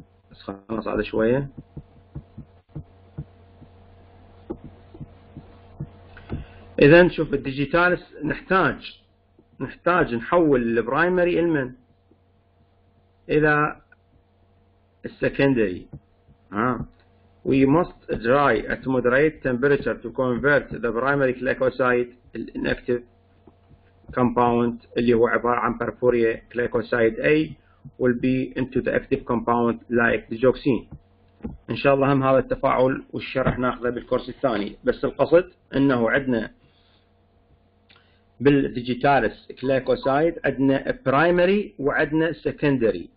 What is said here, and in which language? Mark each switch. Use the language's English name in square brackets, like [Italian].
[Arabic] بس خلاص على شوية. إذا شوف الديجيتالس نحتاج نحتاج نحول البرايمري لمن؟ إلى السكندري. [English] ها we must dry at moderate temperature to convert the primary glycoside inactive compound [Arabic] اللي هو عبارة عن بارفوريا [English] glycoside A will be into the active compound like digoxin. [Arabic] إن شاء الله هم هذا التفاعل والشرح ناخذه بالكورس الثاني، بس القصد أنه عندنا بالديجيتالس كليكوسايد عندنا برايمري وعندنا سكندري.